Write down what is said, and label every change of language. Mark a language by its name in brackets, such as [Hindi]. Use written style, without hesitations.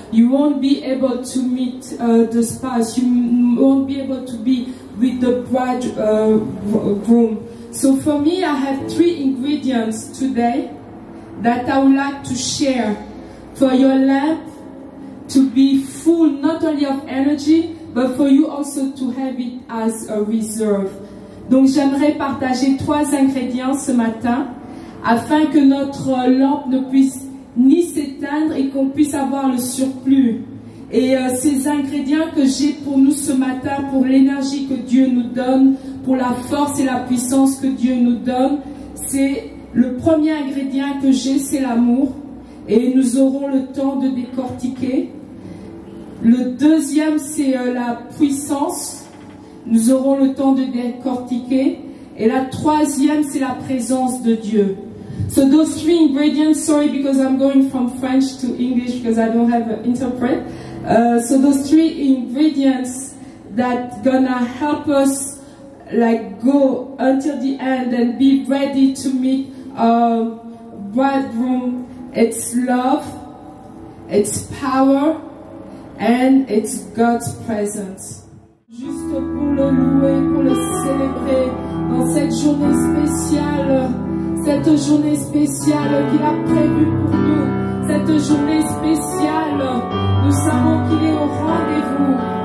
[English] You won't be able to meet the spouse. You won't be able to be with the bride groom. So for me, I have three ingredients today that I would like to share for your lamp to be full, not only of energy, but for you also to have it as a reserve. [French] Donc j'aimerais partager trois ingrédients ce matin afin que notre lampe ne puisse ni s'éteindre et qu'on puisse avoir le surplus. Et ces ingrédients que j'ai pour nous ce matin, pour l'énergie que Dieu nous donne, pour la force et la puissance que Dieu nous donne, c'est le premier ingrédient que j'ai, c'est l'amour. Et nous aurons le temps de décortiquer. Le deuxième, c'est la puissance. Nous aurons le temps de décortiquer. Et la troisième, c'est la présence de Dieu. [English] So those three ingredients, sorry because I'm going from French to English because I don't have an interpreter. So those three ingredients that gonna help us like go until the end and be ready to meet our bridegroom, it's love, it's power, and it's God's presence. [French] Juste pour le louer, pour le célébrer dans cette journée spéciale. Cette journée spéciale qu'il a prévue pour nous, cette journée spéciale, nous savons qu'il est au rendez-vous.